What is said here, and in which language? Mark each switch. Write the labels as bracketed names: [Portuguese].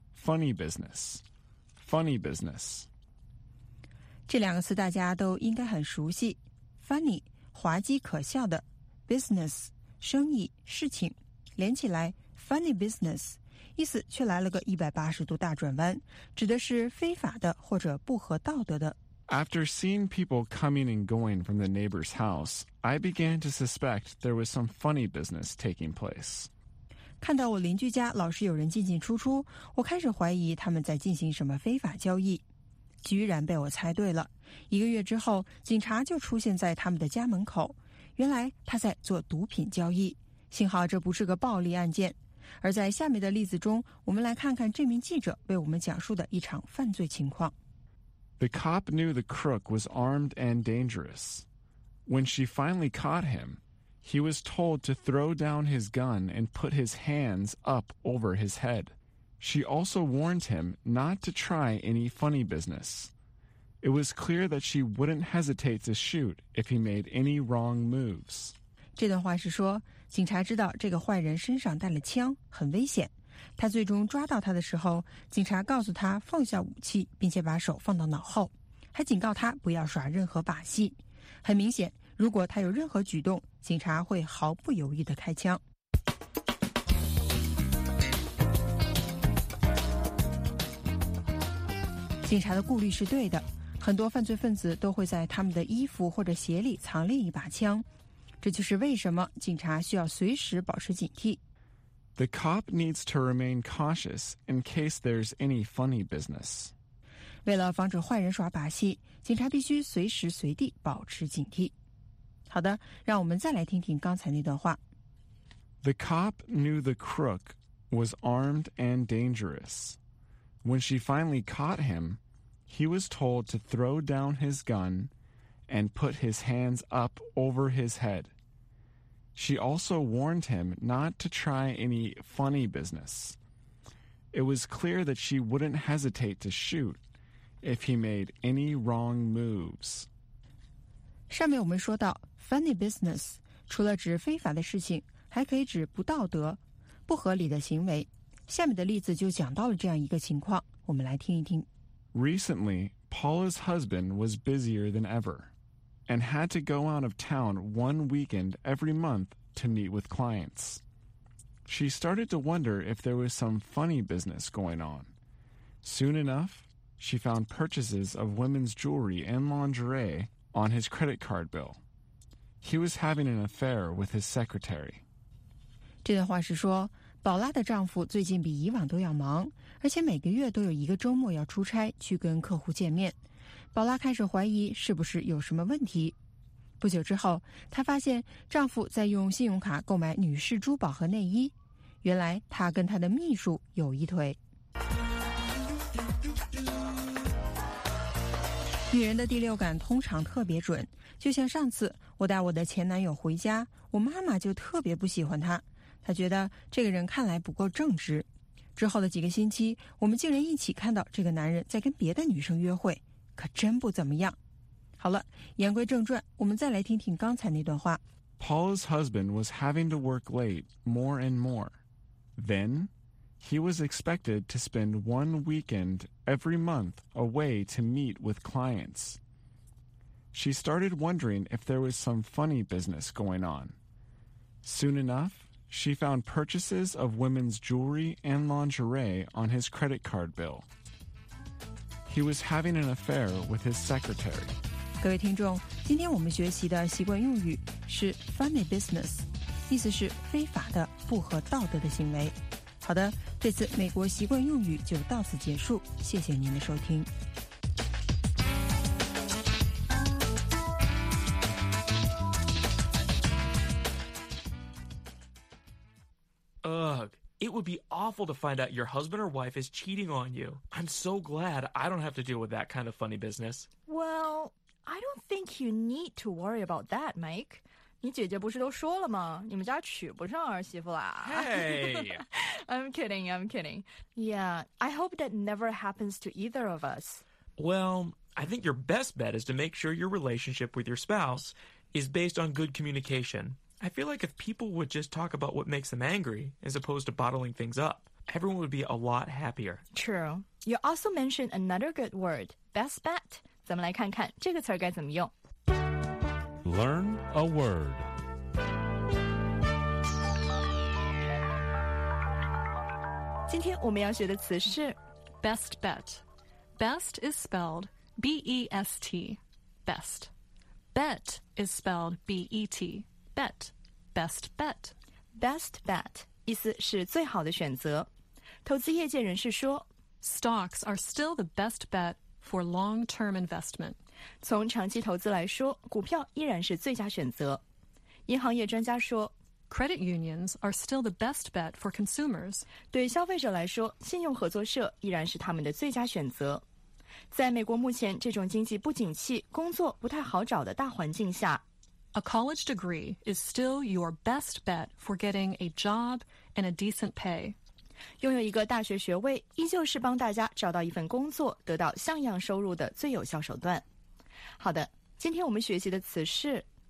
[English] Funny business, funny business. [Chinese] 这两个词大家都应该很熟悉。Funny, 滑稽可笑的。 Business, 生意、事情。连起来 ,funny business, 意思却来了个180度大转弯，指的是非法的或者不合道德的。 [English] After seeing people coming and going from the neighbor's house, I began to suspect there was some funny business taking place. [Chinese] 看到我邻居家老是有人进进出出，我开始怀疑他们在进行什么非法交易。居然被我猜对了。一个月之后，警察就出现在他们的家门口。原来他在做毒品交易。幸好这不是个暴力案件。而在下面的例子中，我们来看看这名记者为我们讲述的一场犯罪情况。 [English] The cop knew the crook was armed and dangerous. When she finally caught him,He was told to throw down his gun and put his hands up over his head. She also warned him not to try any funny business. It was clear that she wouldn't hesitate to shoot if he made any wrong moves. [Chinese] 这段话是说，警察知道这个坏人身上带了枪，很危险，他最终抓到他的时候，警察告诉他放下武器，并且把手放到脑后，还警告他不要耍任何把戏。很明显，如果他有任何举动，警察会毫不犹豫地开枪。警察的顾虑是对的，很多犯罪分子都会在他们的衣服或者鞋里藏另一把枪，这就是为什么警察需要随时保持警惕。 [English] The cop needs to remain cautious in case there's any funny business. [Chinese] 为了防止坏人耍把戏，警察必须随时随地保持警惕。好的，让我们再来听听刚才那段话。 [English] The cop knew the crook was armed and dangerous. When she finally caught him, he was told to throw down his gun and put his hands up over his head. She also warned him not to try any funny business. It was clear that she wouldn't hesitate to shoot if he made any wrong moves. [Chinese] 上面我们说到 funny business 除了指非法的事情，还可以指不道德、不合理的行为。下面的例子就讲到了这样一个情况，我们来听一听。 [English] Recently, Paula's husband was busier than ever. And had to go out of town one weekend every month to meet with clients. She started to wonder if there was some funny business going on. Soon enough, she found purchases of women's jewelry and lingerie on his credit card bill. He was having an affair with his secretary. [Chinese] 这段话是说，宝拉的丈夫最近比以往都要忙，而且每个月都有一个周末要出差去跟客户见面。宝拉开始怀疑是不是有什么问题。不久之后，她发现丈夫在用信用卡购买女士珠宝和内衣。原来她跟她的秘书有一腿。女人的第六感通常特别准，就像上次我带我的前男友回家，我妈妈就特别不喜欢他，她觉得这个人看来不够正直。之后的几个星期，我们竟然一起看到这个男人在跟别的女生约会。可真不怎么样。好了，言归正传，我们再来听听刚才那段话。 [English] Paula's husband was having to work late more and more. Then, he was expected to spend one weekend every month away to meet with clients. She started wondering if there was some funny business going on. Soon enough, she found purchases of women's jewelry and lingerie on his credit card bill. He was having an affair with his secretary. [Chinese] 各位听众，今天我们学习的习惯用语是 funny business， 意思是非法的、不合道德的行为。好的，这次美国习惯用语就到此结束，谢谢您的收听。 [English] It would be awful to find out your husband or wife is cheating on you. I'm so glad I don't have to deal with that kind of funny business. Well, I don't think you need to worry about that, Mike. [Chinese] 你姐姐不是都说了吗？你们家娶不上儿媳妇啦。 [English] Hey! I'm kidding. Yeah, I hope that never happens to either of us. Well, I think your best bet is to make sure your relationship with your spouse is based on good communication. I feel like if people would just talk about what makes them angry, as opposed to bottling things up, everyone would be a lot happier. True. You also mentioned another good word, best bet. [Chinese] 咱们来看看这个词该怎么用。 [English] Learn a word. Today, we're going to learn the word best bet. Best is spelled B-E-S-T, best. Bet is spelled B-E-T, bet. Best bet. [Chinese] Best bet, 意思是最好的选择。投资业界人士说 [English] Stocks are still the best bet for long-term investment. [Chinese] 从长期投资来说，股票依然是最佳选择。银行业专家说 [English] Credit unions are still the best bet for consumers. [Chinese] 对消费者来说，信用合作社依然是他们的最佳选择。在美国目前这种经济不景气、工作不太好找的大环境下， [English] A college degree is still your best bet for getting a job and a decent pay. [Chinese] 拥有一个大学学位依旧是帮大家找到一份工作、得到像样收入的最有效手段。好的，今天我们学习的词是